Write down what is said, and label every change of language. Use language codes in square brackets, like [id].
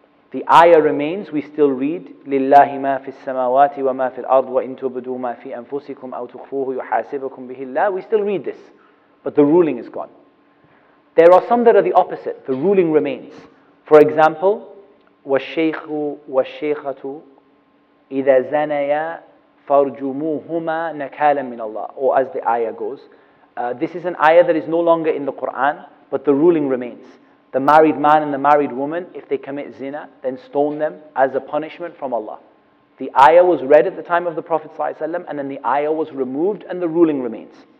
[en] The ayah remains, we still read, [ar] لِلَّهِ مَا فِي السَّمَاوَاتِ وَمَا فِي الْأَرْضِ وَإِنْ تُبْدُوا مَا فِي أَنفُسِكُمْ أَوْ تُخْفُوهُ يُحَاسِبَكُمْ بِهِ اللَّهِ. [en] We still read this, but the ruling is gone. There are some that are the opposite. The ruling remains. For example, [ar] والشيخ والشيخة إذا زنيا فارجموهما نكالا من الله. [en] Or as the ayah goes, this is an ayah that is no longer in the Quran, but the ruling remains. The married man and the married woman, if they commit zina, then stone them as a punishment from Allah. The ayah was read at the time of the Prophet ﷺ, and then the ayah was removed and the ruling remains.